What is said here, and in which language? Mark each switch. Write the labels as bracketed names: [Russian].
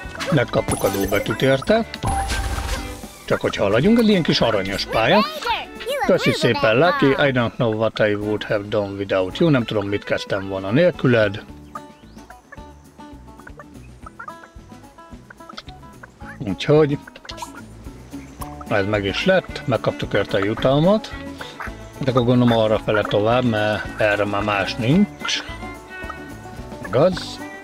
[Hungarian] Megkaptuk a dóbetűt érte. Csak hogy haladjunk, ez ilyen kis aranyos pálya. Köszi szépen, Lucky. [English] I don't know what I would have done without you. [Hungarian] Nem tudom, mit kezdtem volna nélküled. Úgyhogy ez meg is lett, megkaptuk érte a jutalmat. De akkor gondolom arra fele tovább, mert erre már más nincs. Igaz?